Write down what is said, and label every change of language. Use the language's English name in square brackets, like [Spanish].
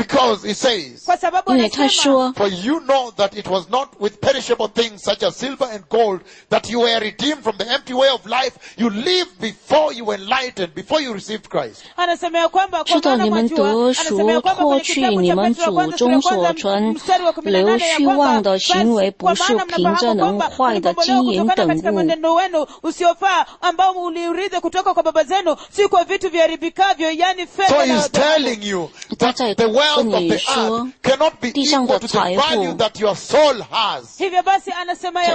[English] Because he says, for you know that it was not with perishable things such as silver and gold that you were redeemed from the empty way of life you lived before you were enlightened, before you received Christ. [Chinese] 知道你们得赎，过去你们祖宗所存留虚妄的行为，不是凭着能坏的金银等物。 [English] So he's telling you that the wealth of the earth cannot be equal to the value that your soul has.